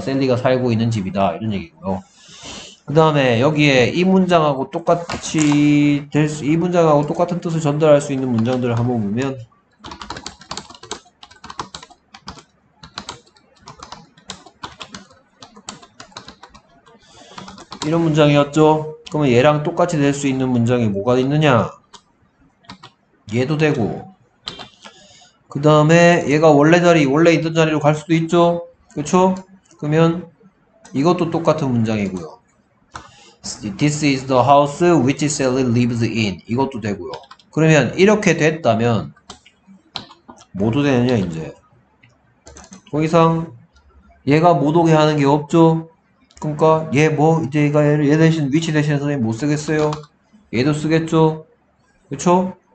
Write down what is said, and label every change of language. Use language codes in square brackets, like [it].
[ko] 샌디가 살고 있는 집이다. 이런 얘기고요. 그 다음에 여기에 이 문장하고 똑같이 될 수, 이 문장하고 똑같은 뜻을 전달할 수 있는 문장들을 한번 보면, 이런 문장이었죠. 그러면 얘랑 똑같이 될수 있는 문장이 뭐가 있느냐? 얘도 되고, 그 다음에 얘가 원래 자리, 원래 있던 자리로 갈 수도 있죠. 그쵸? 그러면 이것도 똑같은 문장이고요. [en] This is the house which Sally lives in. [ko] 이것도 되고요. 그러면 이렇게 됐다면 뭐도 되느냐 이제. 더 이상 얘가 못 오게 하는 게 없죠. 그러니까 얘뭐 이제 얘가 얘 대신 위치 대신 선생님 못 쓰겠어요. 얘도 쓰겠죠. 그쵸?